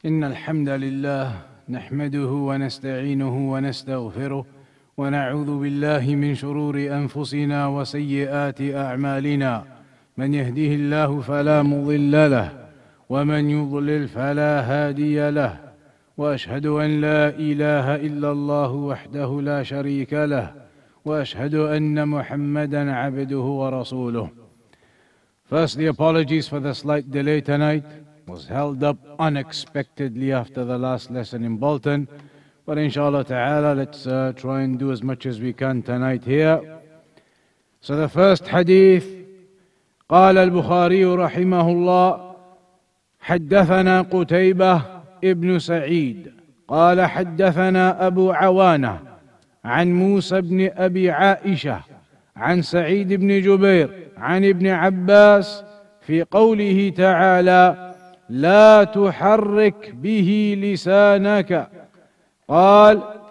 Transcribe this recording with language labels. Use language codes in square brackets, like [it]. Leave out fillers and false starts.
[ar] إن الحمد لله نحمده ونستعينه ونستغفره ونعوذ بالله من شرور أنفسنا وسيئات أعمالنا، من يهده الله فلا مضل له ومن يضلل فلا هادي له، وأشهد أن لا إله إلا الله وحده لا شريك له، وأشهد أن محمدًا عبده ورسوله. [en] Firstly, apologies for the slight delay tonight. Was held up unexpectedly after the last lesson in Bolton. But inshallah ta'ala, let's try and do as much as we can tonight here. So the first hadith, [ar] قال البخاري رحمه الله حدثنا قتيبة ابن سعيد قال حدثنا أبو عوانة عن موسى بن أبي عائشة عن سعيد بن جبير عن ابن عباس في قوله تعالى لا تحرك به لسانك، قال